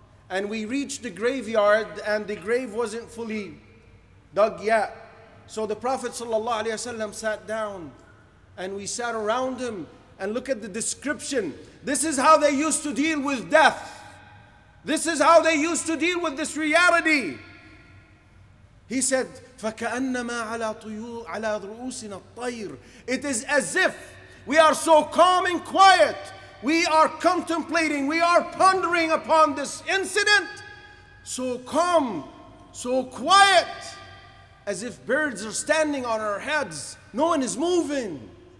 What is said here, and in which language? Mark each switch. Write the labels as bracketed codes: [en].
[en] And we reached the graveyard and the grave wasn't fully dug yet. So the Prophet sallallahu alaihi wasallam sat down and we sat around him, and look at the description. This is how they used to deal with death. This is how they used to deal with this reality. He said, [ar] فَكَأَنَّمَا عَلَىٰ رُؤُوسِنَا الطَّيْرِ. [en] It is as if we are so calm and quiet. We are contemplating, we are pondering upon this incident. So calm, so quiet, as if birds are standing on our heads. No one is moving.